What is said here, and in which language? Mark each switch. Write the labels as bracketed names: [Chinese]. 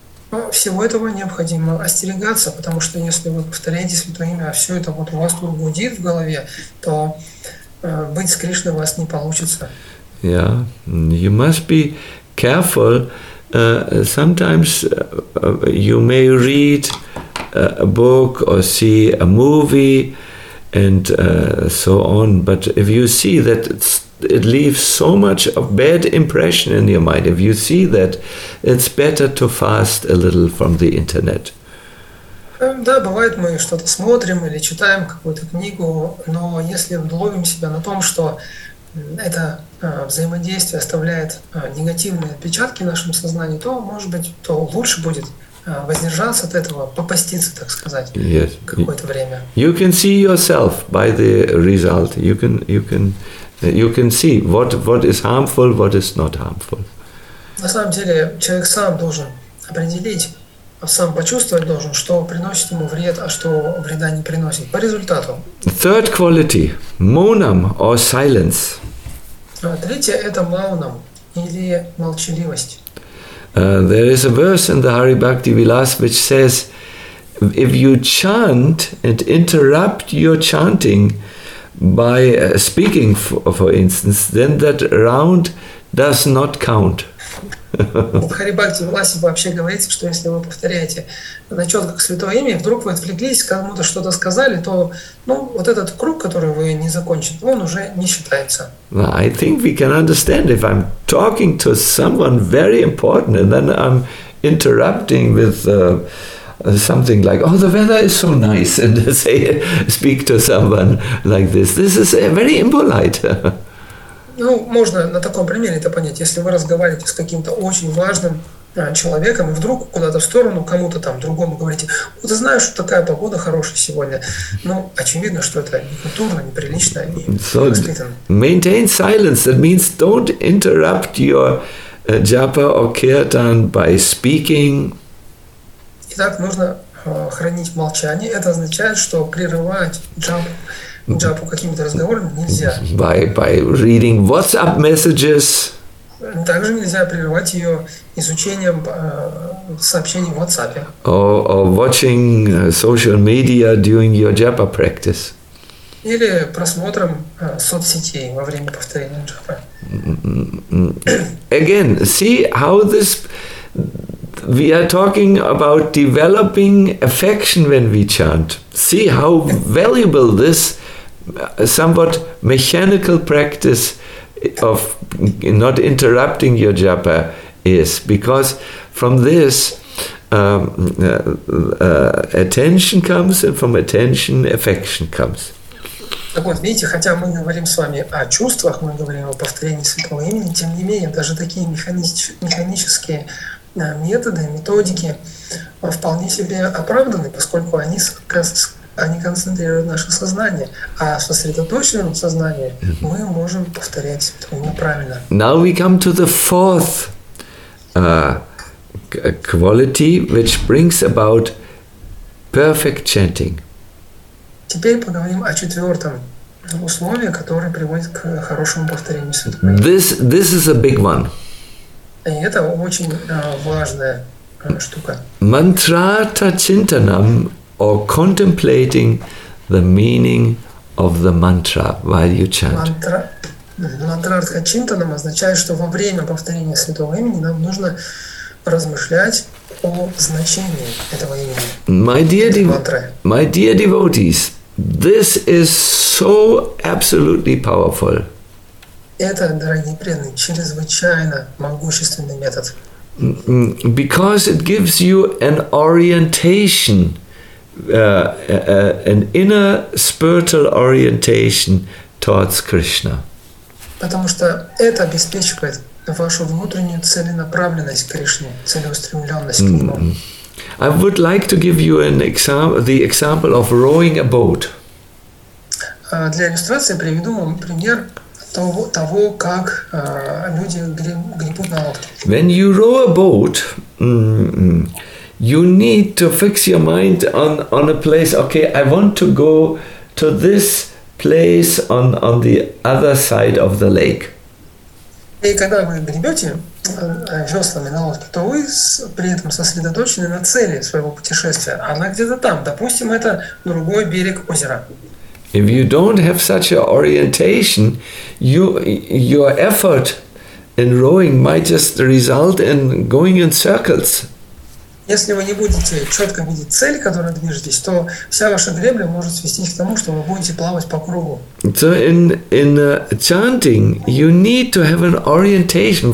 [Russian] Но всего этого необходимо остерегаться, потому что если вы повторяете святое имя, а все это вот у вас тут гудит в голове, то быть с Кришной у вас не получится. [English] Yeah, you must be careful. Sometimes you may read a book or see a movie and so on, but if you see that it leaves so much of bad impression in your mind, if you see that, it's better to fast a little from the internet. [Russian] Да, бывает, мы что-то смотрим или читаем какую-то книгу, но если ловим себя на том, что это взаимодействие оставляет негативные отпечатки в нашем сознании, то, может быть, то лучше будет воздержаться от этого, попаститься, так сказать, [English] yes, [Russian] какое-то время. [English] You can see yourself by the result. You can see what is harmful, what is not harmful. [Russian] На самом деле, человек сам должен определить, сам почувствовать должен, что приносит ему вред, а что вреда не приносит, по результату. [English] Third quality, monam or silence. [Russian] Третье – это маунам, или молчаливость. [English] There is a verse in the Hari Bhakti Vilas which says, if you chant and interrupt your chanting by speaking, for instance, then that round does not count. [Russian] В Hari Bhakti Vilas вообще говорится, что если вы повторяете на четках святое имя, вдруг вы отвлеклись, кому-то что-то сказали, то ну, вот этот круг, который вы не закончили, он уже не считается. [English] Well, I think we can understand if I'm talking to someone very important and then I'm interrupting with something like, oh, the weather is so nice, and say, speak to someone like this. This is very impolite. [Russian] Ну, можно на таком примере это понять. Если вы разговариваете с каким-то очень важным человеком, и вдруг куда-то в сторону, кому-то там другому говорите: «Вот ты знаешь, что такая погода хорошая сегодня». Ну, очевидно, что это некультурно, неприлично и невоспитанно. [English] Maintain silence. That means don't interrupt your japa or kirtan by speaking. [Russian] Итак, нужно хранить молчание. Это означает, что прерывать джапу, джапу какими-то разговорами нельзя. [English] By reading WhatsApp messages. [Russian] Также нельзя прерывать ее изучением сообщений в WhatsApp. [English] Or watching social media during your japa practice. [Russian] Или просмотром соцсетей во время повторения джапа. [English] Again, see how this... We are talking about developing affection when we chant. See how valuable this somewhat mechanical practice of not interrupting your japa is. Because from this attention comes, and from attention affection comes. [Russian] Так вот, видите, хотя мы говорим с вами о чувствах, мы говорим о повторении святого имени, тем не менее, даже такие механические методы, методики вполне себе оправданы, поскольку они концентрируют наше сознание, а в сосредоточенном сознании мы можем повторять святое имя правильно. [English] Now we come to the fourth quality, which brings about perfect chanting. [Russian] Теперь поговорим о четвертом условии, которое приводит к хорошему повторению святого имени. [English] This is a big one. [Russian] И это очень важная штука. [English] Mantrata chintanam, or contemplating the meaning of the mantra while you chant. [Russian] Mantrata chintanam означает, что во время повторения святого имени нам нужно размышлять о значении этого имени. [English] My dear devotees, this is so absolutely powerful. [Russian] Это, дорогие преданные, чрезвычайно могущественный метод. [English] Because it gives you an orientation, an inner spiritual orientation towards Krishna. [Russian] Потому что это обеспечивает вашу внутреннюю целенаправленность к Кришне, целеустремленность к Нему. [English] I would like to give you the example of rowing a boat. [Russian] Для иллюстрации приведу вам пример того, как люди гребут на лодке. [English] When you row a boat, you need to fix your mind on a place. Okay, I want to go to this place on the other side of the lake. [Russian] И когда вы гребете веслами на лодке, то вы при этом сосредоточены на цели своего путешествия. Она где-то там. Допустим, это другой берег озера. [English] If you don't have such an orientation, your effort in rowing might just result in going in circles. [Russian] Если вы не будете четко видеть цель, к которой движетесь, то вся ваша гребля может свести к тому, что вы будете плавать по кругу. [English] So in chanting, you need to have an orientation.